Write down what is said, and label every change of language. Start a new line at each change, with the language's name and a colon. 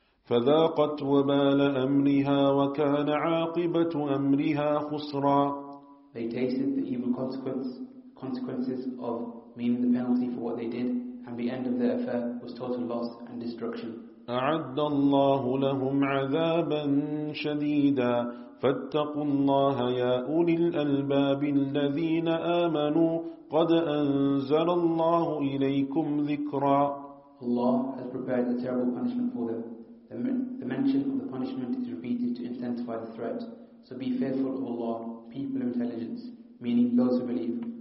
Arabic: فَذَاقَتْ وَبَالَ أَمْرِهَا وَكَانَ عَاقِبَةُ أَمْرِهَا خُسْرًا.
English: They tasted the evil consequences of, meaning the penalty for what they did, and the end of their affair was total loss and destruction.
Arabic: أَعَدَّ اللَّهُ لَهُمْ عَذَابًا شَدِيدًا فاتقوا الله يا أولي الألباب الذين آمنوا قد أنزل الله إليكم ذكرا.
English: Allah has prepared a terrible punishment for them. The mention of the punishment is repeated to intensify the threat. So be fearful of Allah, people of intelligence, meaning those who believe.